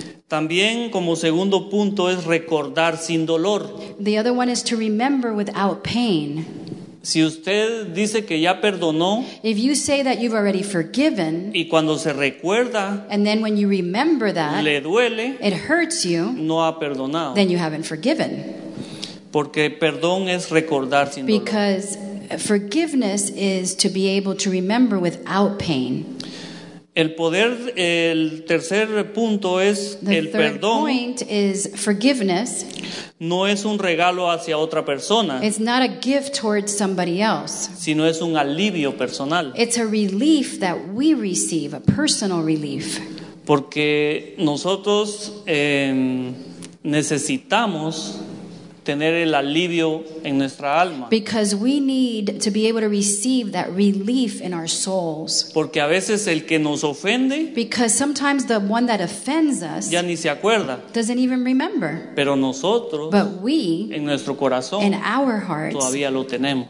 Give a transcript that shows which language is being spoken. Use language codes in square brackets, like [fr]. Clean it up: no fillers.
[es] También como segundo punto es recordar sin dolor. [en] The other one is to remember without pain. [es] Si usted dice que ya perdonó, [en] if you say that you've already forgiven, [es] y cuando se recuerda, [en] and then when you remember that, [es] le duele, [en] it hurts you, [es] no ha perdonado, [en] then you haven't forgiven. [es] Porque perdón es recordar sin dolor. [en] Because forgiveness is to be able to remember without pain. [es] El poder, el tercer punto es [en] the [es] el perdón. [en] Point is forgiveness. [es] No es un regalo hacia otra persona. [en] It's not a gift towards somebody else. [es] Sino es un alivio personal. [en] It's a relief that we receive, a personal relief. [es] Porque nosotros necesitamos tener el alivio en nuestra alma. [en] Because we need to be able to receive that relief in our souls. [es] Porque a veces el que nos ofende. [en] Because sometimes the one that offends us. [es] Ya ni se acuerda. [en] Doesn't even remember. [es] Pero nosotros. [en] But we. [es] En nuestro corazón. [en] In our hearts. [es] Todavía lo tenemos.